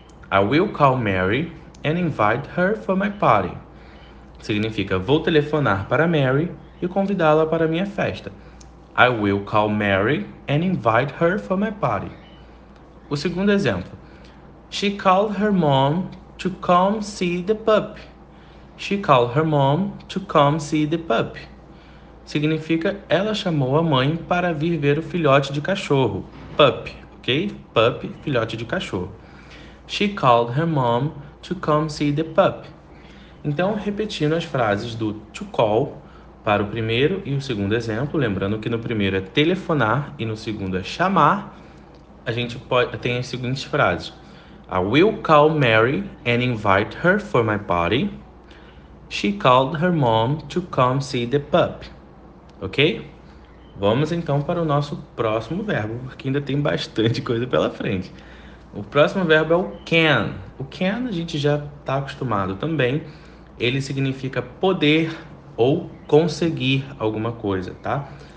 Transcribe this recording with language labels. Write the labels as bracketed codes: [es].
[en] I will call Mary and invite her for my party. [pt] Significa: vou telefonar para Mary e convidá-la para minha festa. [en] I will call Mary and invite her for my party. [pt] O segundo exemplo. [en] She called her mom to come see the puppy. She called her mom to come see the puppy. [pt] Significa, ela chamou a mãe para vir ver o filhote de cachorro. Puppy, ok? Puppy, filhote de cachorro. [en] She called her mom to come see the puppy. [pt] Então, repetindo as frases do to call para o primeiro e o segundo exemplo, lembrando que no primeiro é telefonar e no segundo é chamar, a gente pode tem as seguintes frases: [en] I will call Mary and invite her for my party. She called her mom to come see the puppy. Ok? [pt] Vamos então para o nosso próximo verbo, porque ainda tem bastante coisa pela frente. O próximo verbo é o can. O can a gente já está acostumado também. Ele significa poder ou conseguir alguma coisa, tá?